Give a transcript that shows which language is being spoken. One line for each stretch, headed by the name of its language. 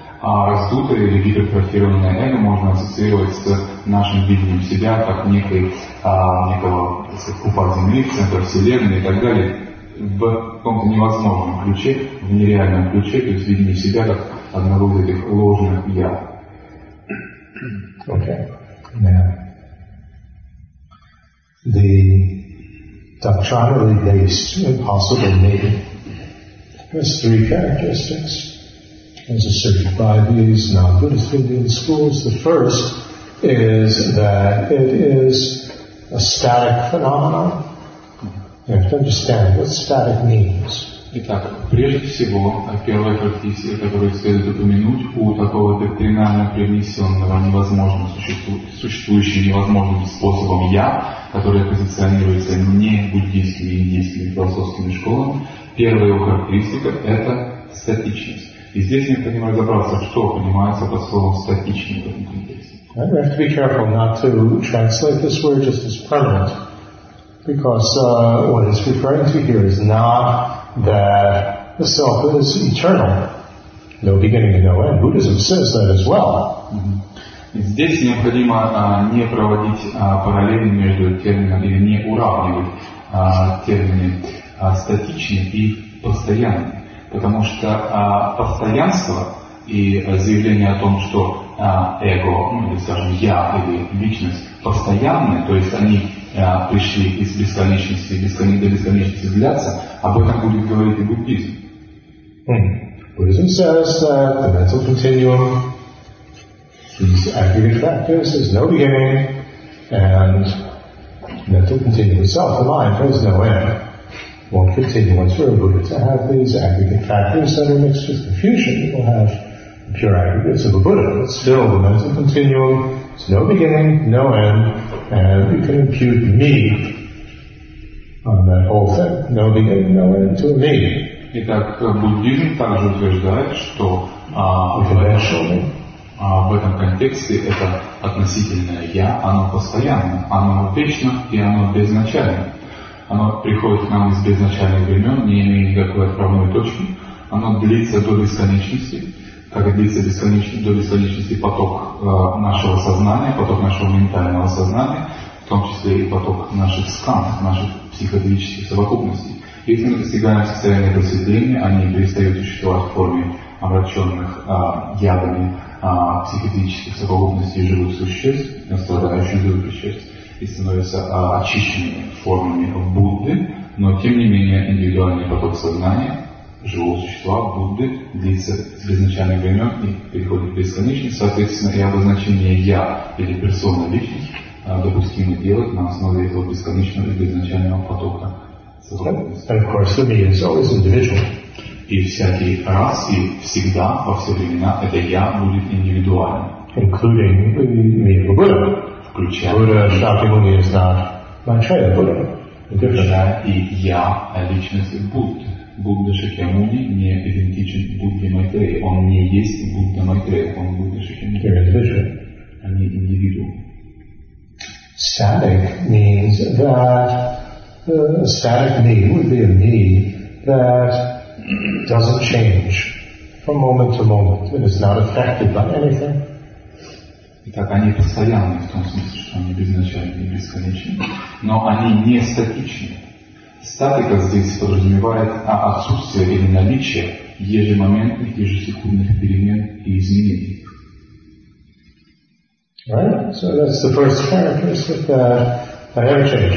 Russian: А раздутое или гипертрофированное эго можно ассоциировать с нашим видением себя как некого купа Земли, центра Вселенной и так далее, в каком-то невозможном ключе, в нереальном ключе, то есть видение себя как одного из этих ложных «я».
English: Okay. Now, the doctrinally based impossible me has three characteristics, as asserted by these non-Buddhist Indian schools. The first is that it is a static phenomenon. You have to understand what static means.
Russian: Итак, прежде всего, первая характеристика, которую следует упомянуть, у такого доктринально привнесенного невозможным существующим невозможным способом «я», которое позиционируется не буддийскими, индийскими, философскими школами, первая его характеристика – это статичность. И здесь необходимо разобраться, что понимается под словом «статичный» в этом контексте.
English: We have to be careful not to translate this word just as permanent, because what it's referring to here is not that the self is eternal, no beginning and no end. Buddhism says that as well. Mm-hmm.
Russian: Здесь необходимо не проводить параллели между терминами или не уравнивать термины статичный и постоянный, потому что постоянство и заявление о том, что эго, ну или скажем я или личность постоянны, то есть они пришли из бесконечности, до бесконечности взяться, об этом будет говорить и буддизм.
English: Buddhism says that the mental continuum, these aggregate factors, has no beginning, and the mental continuum itself, the mind, has no end. One continuance for a Buddha to have these aggregate factors that are mixed with confusion, you will have the pure aggregates of a Buddha, but still the mental continuum. It's no beginning, no end, and you can impute me on that whole thing. No beginning, no end to me.
Russian: Итак, буддизм также утверждает, что в этом контексте это относительное «я», оно постоянно, оно вечно и оно безначально. Оно приходит к нам из безначальных времен, не имея никакой отправной точки. Оно длится до бесконечности. Как длится до бесконечности поток нашего сознания, поток нашего ментального сознания, в том числе и поток наших скан, наших психологических совокупностей. Если мы достигаем состояния просветления, они перестают существовать в форме омраченных ядами психологических совокупностей живых существ, страдающих живых существ, и становятся очищенными формами Будды, но тем не менее индивидуальный поток сознания живого существа, Будды, длится с безначальных времен и переходит в бесконечность. Соответственно, и обозначение «я» или персона личность допустимо делать на основе этого бесконечного и безначального потока.
English: And of course, the me is always individual.
Russian: И всякий раз, и всегда, во все времена, это «я» будет индивидуальным.
English: Including the me of a Buddha.
Russian: Включая
English: Buddha, Shakyamuni is not Maitreya Buddha.
Russian: Включая и «я», а личность Будды. Будда Шакьямуни не идентичен Будде Майтрея. Он не есть Будда Майтрея, он Будда Шакьямуни. Они индивидуумы.
English: Static means that a static me would be a me that doesn't change from moment to moment and is not affected by anything.
Russian: Итак, они постоянны в том смысле, что они безначальны и бесконечны, но они не статичны. Статика здесь подразумевает отсутствие или наличие ежемоментных, ежесекундных перемен и изменений.
English: Right? So that's the first characteristic that I haven't changed.